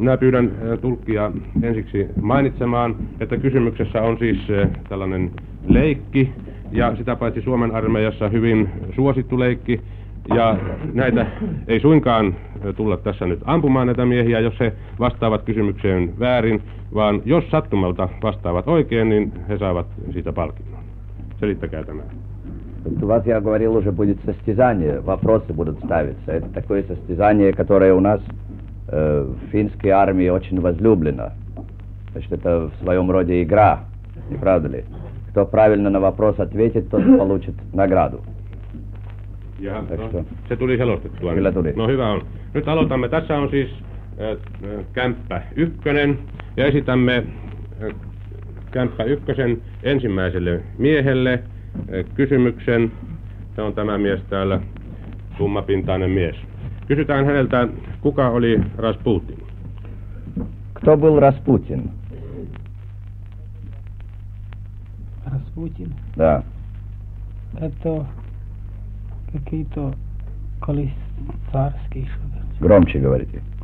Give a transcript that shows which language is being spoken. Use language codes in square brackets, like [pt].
[fi] Minä pyydän tulkkia ensiksi mainitsemaan, että kysymyksessä on siis tällainen leikki, ja sitä paitsi Suomen armeijassa hyvin suosittu leikki. Ja näitä ei suinkaan tulla tässä nyt ampumaan näitä miehiä, jos he vastaavat kysymykseen väärin, vaan jos sattumalta vastaavat oikein, niin he saavat siitä palkinnon. Selittäkää tämä. [ru] Тут у вас, я говорил, уже будет состязание, вопросы будут ставиться. Это такое состязание, которое у нас в финской армии очень возлюблено. Значит, это в своем роде игра, не правда ли? Кто правильно на вопрос ответит, тот получит награду. [fi] Jaha, no, se tuli selostettua. Kyllä tuli. No hyvä on. Nyt aloitamme. Tässä on siis kämppä ykkönen. Ja esitämme kämppä ykkösen ensimmäiselle miehelle kysymyksen. Se on tämä mies täällä, tummapintainen mies. Kysytään häneltä, kuka oli Rasputin? [ru] Кто был Rasputin? Rasputin? Да. Это... Какие-то колесарские что-то. Громче говорите.